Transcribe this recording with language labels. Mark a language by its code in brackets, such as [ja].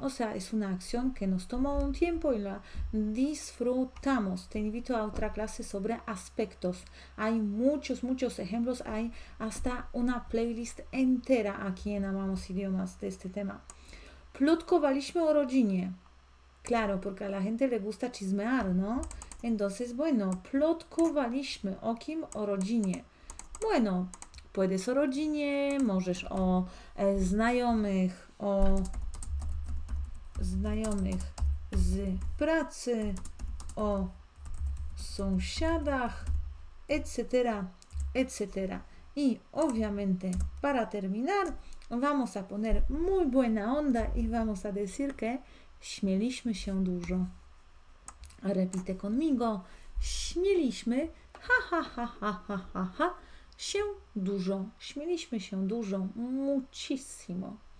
[es] O sea, es una acción que nos tomó un tiempo y la disfrutamos. Te invito a otra clase sobre aspectos. Hay muchos, muchos ejemplos. Hay hasta una playlist entera aquí en Amamos Idiomas de este tema. [pl] Plotkowaliśmy o rodzinie. [es] Claro, porque a la gente le gusta chismear, ¿no? Entonces, bueno, [pl] plotkowaliśmy o kim? O rodzinie. [es] Bueno, puedes [pl] o rodzinie, możesz o znajomych, o znajomych z pracy, o sąsiadach, etc., etc. [es] I obviamente, para terminar, vamos a poner muy buena onda i vamos a decir que [pl] śmieliśmy się dużo. [es] Repite conmigo. [pl] Śmieliśmy, [es] ha, ha, ha, ha, ha, ha, ha. [pl] się dużo. Śmieliśmy się dużo. [es] Muchísimo.